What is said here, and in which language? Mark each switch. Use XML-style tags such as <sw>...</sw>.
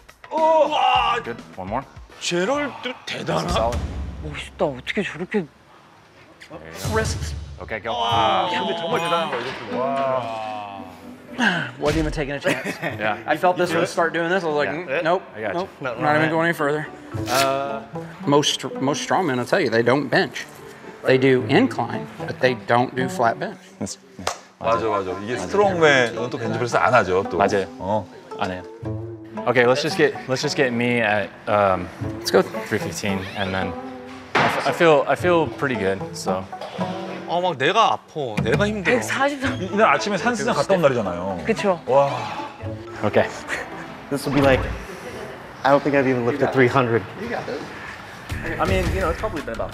<ko>와,</ko> <en>one more.</en> <ko>제럴드 대단하다. 멋있다. 어떻게 저렇게</ko> <en>wrist. Okay, go.</en> <ko>와, 근데 정말 대단한 거예요.</ko> <en>와. Wasn't even taking a chance. Yeah. I felt this would start doing this. I was like, nope. Not even going any further. Most strongmen, I'll tell you, they don't bench. They do incline, but they don't do flat bench.</en> <ko>맞아, 맞아. 이게 스트롱맨은 또 벤치프레스 안 하죠, 또. 맞아요. 안 해요.</ko> <en>Okay, let's just get me at let's go 315 and then I feel pretty good. So</en> <ko>아, 막 내가 아파. 내가 힘들어. 143. 이날 아침에 산스장 갔다 온 날이잖아요. 그렇죠. 와.</ko> <en>Okay. This will be like I don't think I've even lifted 300. I mean, you know, it's probably been about</en>